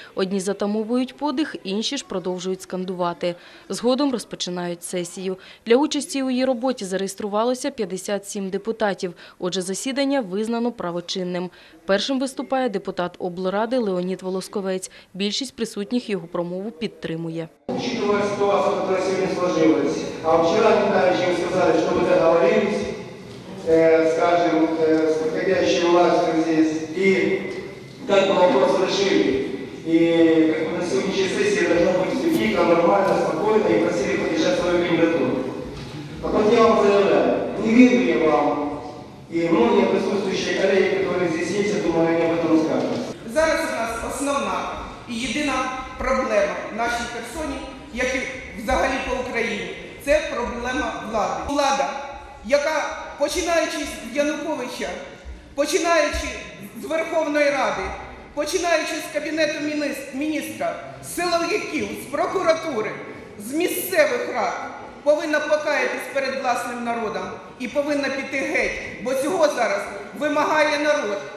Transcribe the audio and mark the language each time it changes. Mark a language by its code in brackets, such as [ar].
[uk] Одні затамовують подих, інші ж продовжують скандувати. Згодом розпочинають сесію. Для участі у її роботі зареєструвалося 57 депутатів. Отже, засідання визнано правочинним. Першим виступає депутат облради Леонід Волосковець. Більшість присутніх його промову підтримує. [ru] Учитывая ситуацию, которая сегодня сложилась, а вчера не знаю, чем сказали, что мы договорились, скажем, с подходящей властью здесь, и как мы вопрос решили. И как бы на сегодняшней сессии должно быть все тихо, нормально, спокойно, и просили поддержать свою кандидатуру. А вот я вам заявляю, не верю я вам, и многие присутствующие коллеги, которые здесь есть, я думаю, они об этом скажут. [uk] Зараз у нас основна и єдина проблема в нашій персоні, як і взагалі по Україні, це проблема влади. Влада, яка, починаючи з Януковича, починаючи з Верховної Ради, починаючи з Кабінету міністра, з силовиків, з прокуратури, з місцевих рад, повинна покаятись перед власним народом і повинна піти геть, бо цього зараз вимагає народ.